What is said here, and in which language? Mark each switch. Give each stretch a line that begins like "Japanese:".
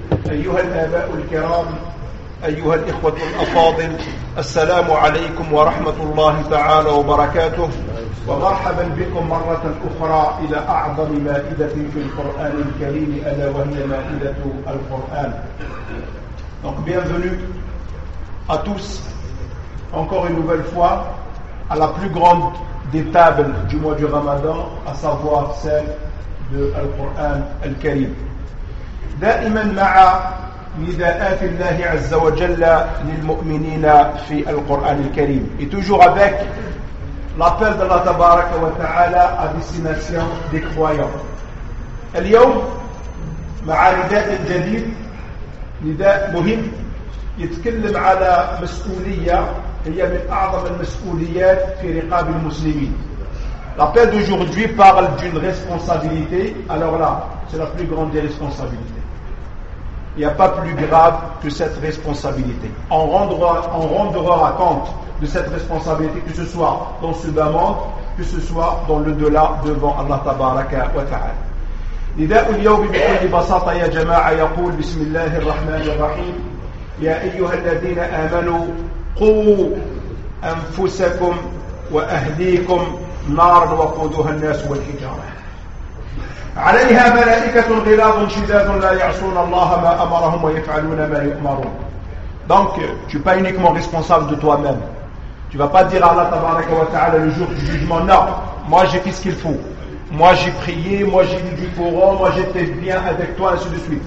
Arabic: أيها الآباء الكرام، أيها الإخوة الأفاضل، السلام عليكم ورحمة الله تعالى وبركاته، ومرحبا بكم مرة أخرى إلى أعظم مائدة في القرآن الكريم، ألا وهي مائدة القرآن.
French: Donc bienvenue à tous encore une nouvelle fois à la plus grande des tables du mois du Ramadan, à savoir celle de Al-Qur'an Al-Karim.
Arabic: دائما مع نداءات الله عز وجل للمؤمنين في القرآن الكريم.
French: Et toujours avec l'appel d'Allah tabaraka wa ta'ala à destination des croyants.
Arabic: اليوم مع نداء جديد، نداء مهم، يتكلم على مسؤولية هي من أعظم المسؤوليات في رقاب المسلمين.
French: L'appel d'aujourd'hui parle d'une responsabilité. Alors là, c'est la plus grande des responsabilités. Il n'y a pas plus grave que cette responsabilité. On rendra compte de cette responsabilité, que ce soit dans ce bas monde, que ce soit dans l'au-delà devant Allah tabaraka wa ta'ala.
Arabic: نداء اليوم بكل بساطة يا جماعة يقول بسم الله الرحمن الرحيم يا أيها الذين آمنوا قووا أنفسكم وأهليكم نار وقودها الناس والحجارة عليها ملائكة غلاظ شداد لا يعصون الله ما أمرهم ويفعلون ما يؤمرون.
French: Donc tu n'es pas uniquement responsable de toi-même. Tu ne vas pas dire à Allah tabaraka wa ta'ala le jour du jugement: non, moi j'ai fait ce qu'il faut, moi j'ai prié, moi j'ai lu du Coran, moi j'étais bien avec toi, ainsi de suite.